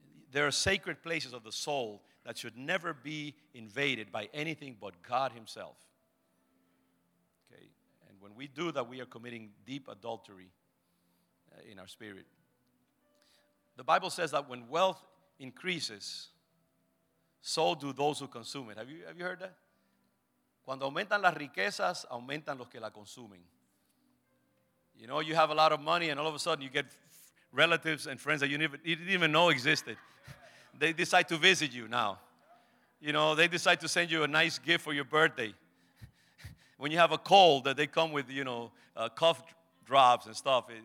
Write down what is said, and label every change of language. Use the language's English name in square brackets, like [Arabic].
[English] There are sacred places of the soul that should never be invaded by anything but God Himself. Okay, and when we do that, we are committing deep adultery in our spirit. The Bible says that when wealth increases, so do those who consume it. Have you heard that? [Spanish] Cuando aumentan las riquezas, aumentan los que la consumen. [English] You know, you have a lot of money, and all of a sudden you get relatives and friends that you didn't even know existed. They decide to visit you now. You know, they decide to send you a nice gift for your birthday. When you have a cold, that they come with, you know, cough drops and stuff.